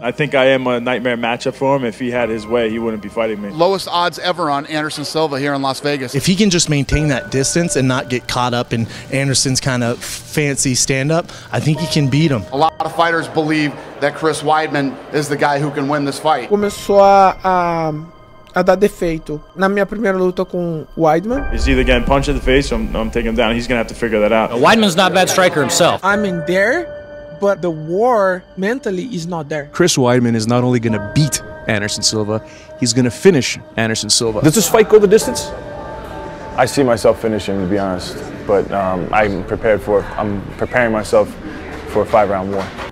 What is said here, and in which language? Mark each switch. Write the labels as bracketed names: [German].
[English] I think I am a nightmare matchup for him. If he had his way, he wouldn't be fighting me. Lowest odds ever on Anderson Silva here in Las Vegas. If he can just maintain that distance and not get caught up in Anderson's kind of fancy stand-up, I think he can beat him. A lot of fighters believe that Chris Weidman is the guy who can win this fight. [Portuguese] Começou a dar defeito na minha primeira luta com Weidman. [English] He's either getting punched in the face or I'm taking him down. He's going to have to figure that out. Weidman's not a bad striker himself. I'm in there, but the war mentally is not there. Chris Weidman is not only gonna beat Anderson Silva, he's gonna finish Anderson Silva. Does this fight go the distance? I see myself finishing, to be honest, but I'm preparing myself for a 5-round war.